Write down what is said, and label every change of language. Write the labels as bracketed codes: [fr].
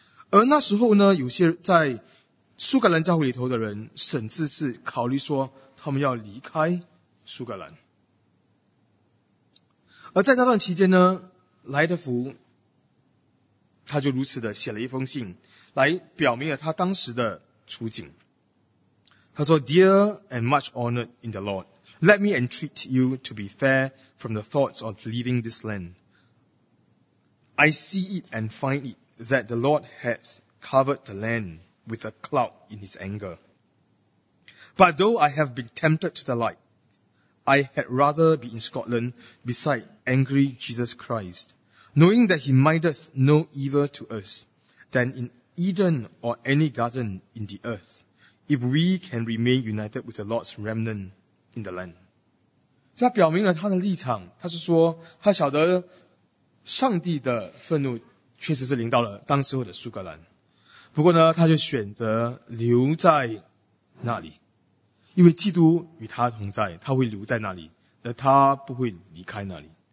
[zh] 而那时候呢，有些在苏格兰教会里头的人甚至是考虑说他们要离开苏格兰。而在那段期间呢，莱德福他就如此的写了一封信来表明了他当时的处境。他说 [en] Dear and much honored in the Lord, let me entreat you to be fair from the thoughts of leaving this land. I see it and find it that the Lord has covered the land with a cloud in his anger. But though I have been tempted to the light, I had rather be in Scotland beside angry Jesus Christ, knowing that he mindeth no evil to us than in Eden or any garden in the earth, if we can remain united with the Lord's remnant in the land. [zh] 所以他表明了他的立场，他是说他晓得上帝的愤怒确实是临到了当时候的苏格兰，不过呢，他就选择留在那里，因为基督与他同在，他会留在那里，而他不会离开那里。